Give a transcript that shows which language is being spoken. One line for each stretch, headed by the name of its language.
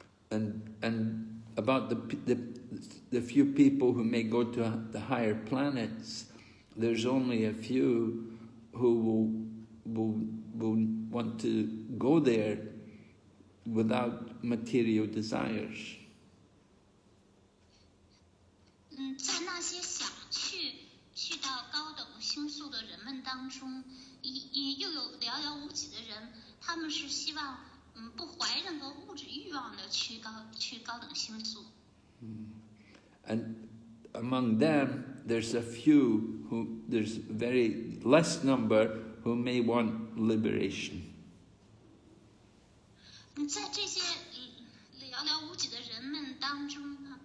English: And about the few people who may go to the higher planets, there's only a few who will want to go there without material desires.
Chinese: 在那些想去到高等星宿的人们当中，也又有寥寥无几的人，他们是希望不怀任何物质欲望的去高等星宿。
English: And among them, there's a few who there's very less number who may want liberation.
Chinese: 在这些寥寥无几的人们当中。